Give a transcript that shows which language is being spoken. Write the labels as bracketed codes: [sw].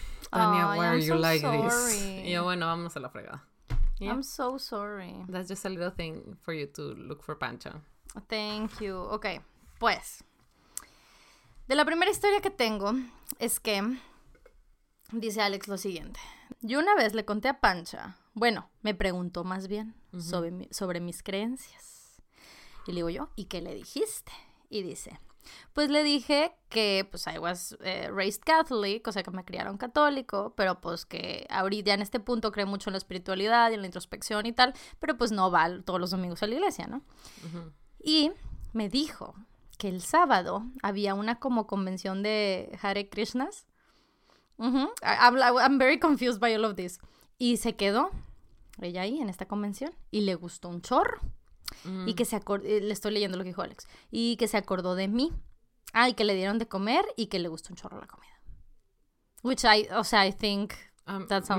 [en] Tania, oh, why are you so like sorry. [es] This? Y yo, bueno, vámonos a la fregada. [en] Yeah. I'm so sorry. That's just a little thing for you to look for Pancha. Thank you. Ok, pues... [es] De la primera historia que tengo es que... Dice Alex lo siguiente. Yo una vez le conté a Pancha... Bueno, me preguntó más bien sobre mis creencias. Y le digo yo, ¿y qué le dijiste? Y dice, pues le dije que pues [en] I was raised Catholic, [es] o sea que me criaron católico, pero pues que ahorita ya en este punto creo mucho en la espiritualidad y en la introspección y tal, pero pues no va todos los domingos a la iglesia, ¿no? Y me dijo que el sábado había una como convención de Hare Krishnas. [en] I'm very confused by all of this. [es] Y se quedó ella ahí en esta convención y le gustó un chorro. Y que se acordó, le estoy leyendo lo que dijo Alex, y que se acordó de mí. Ah, y que le dieron de comer y que le gustó un chorro la comida. [en] Which I, o sea, I think that sounds...